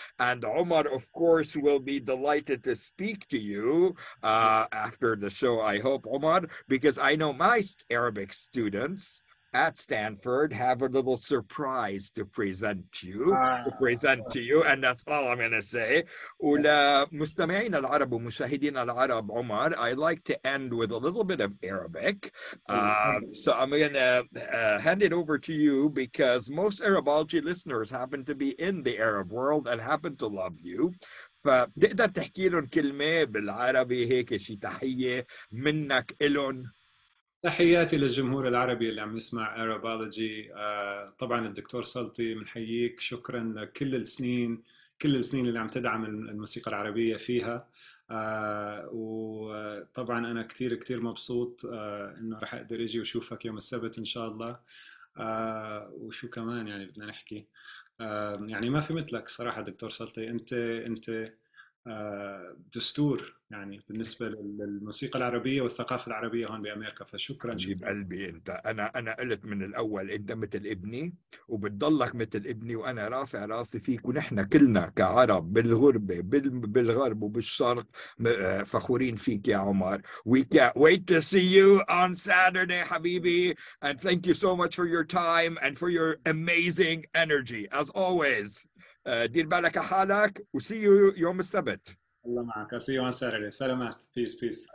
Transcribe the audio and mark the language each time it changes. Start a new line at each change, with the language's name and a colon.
English: And Omar, of course, will be delighted to speak to you after the show, I hope, Omar, because I know my Arabic students at Stanford have a little surprise to present to you, to you, and that's all I'm going to say.
Arabic: Ula mustamayin al Arab, mushahidin al Arab, Omar.
English: I like to end with a little bit of Arabic, so I'm going to hand it over to you, because most Arabology listeners happen to be in the Arab world and happen to love you.
Arabic: فتقدر تحكي لهم كلمة بالعربي هيك شيء تحية منك إلهم. تحياتي للجمهور العربي اللي عم يسمع Arabology. طبعا الدكتور سلطي منحييك، شكرا لكل السنين اللي عم تدعم الموسيقى العربية فيها. وطبعا انا كثير كثير مبسوط انه رح اقدر اجي واشوفك يوم السبت ان شاء الله. وشو كمان يعني بدنا نحكي، يعني ما في مثلك صراحة دكتور سلطي، انت دستور يعني بالنسبة للموسيقى العربية والثقافة العربية هون بأمريكا، فشكرا حبيب شكرا. قلبي انت، انا قلت من الاول انت مثل ابني وبتضلك مثل ابني، وانا رافع راسي فيك، ونحن كلنا كعرب بالغربه بالغرب وبالشرق فخورين فيك يا عمر.
English: We can't wait to see you on Saturday حبيبي، and thank you so much for your time and for your amazing energy as always.
Arabic: دير بالك حالك و see you يوم السبت.
English: الله معك، I'll see you on Saturday. سلامات، peace.